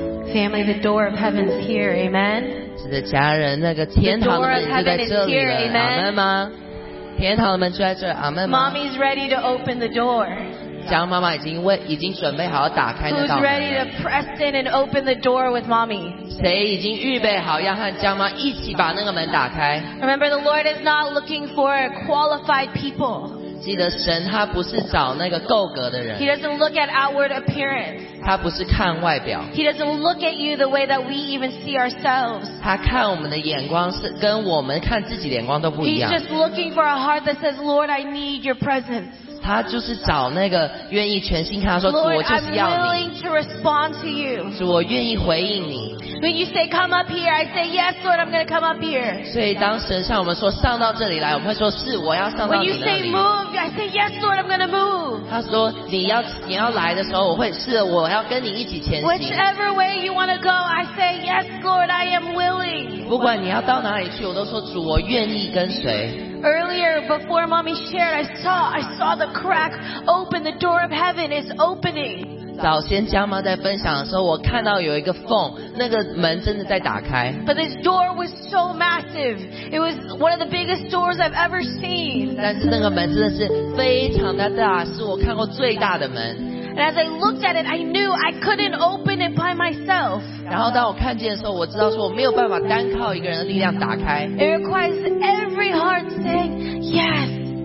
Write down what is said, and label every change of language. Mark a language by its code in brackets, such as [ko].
[en] Family, the door of heaven is here, amen. [zh] 是的，家人，那个天堂的门就在这里了，阿门吗？天堂的门就在这里，阿门吗？ [en] Mommy's ready to open the door. [zh] 江妈妈已经准备好打开那道门。 [en] Who's ready to press in and open the door with mommy? [zh] 谁已经预备好要和江妈一起把那个门打开？ [en] Remember, the Lord is not looking for qualified people. [zh] 记得神他不是找那个够格的人。 [en] He doesn't look at outward appearance. [zh] 他不是看外表。 [en] He doesn't look at you the way that we even see ourselves. [zh] 他看我们的眼光是跟我们看自己的眼光都不一样。 [en] He's just looking for a heart that says, Lord, I need your presence. [zh] 他就是找那个愿意全心看他说，我就是要你。 [en] I'm willing to respond to you. [zh] 主，我愿意回应你。 [en] When you say, come up here, I say, yes, Lord, I'm going to come up here. [zh] 所以当神向我们说上到这里来，我们会说是，我要上到你那里。 [en] When you say move, I say, yes, Lord, I'm going to move. [zh] 他说你要来的时候，我会是我要跟你一起前行。 [en] Whichever way you want to go, I say, yes, Lord, I am willing. [zh] 不管你要到哪里去，我都说主，我愿意跟随。 [en] Earlier, before mommy shared, I saw the crack open, the door of heaven is opening. [zh] 早先江妈在分享的时候，我看到有一个缝，那个门真的在打开。 [en] But this door was so massive. It was one of the biggest doors I've ever seen. [zh] 但是那个门真的是非常的大，是我看过最大的门。 [en] And as I looked at it, I knew I couldn't open it by myself. [zh] 然后当我看见的时候，我知道说我没有办法单靠一个人的力量打开。 [en] It requires every heart saying yes.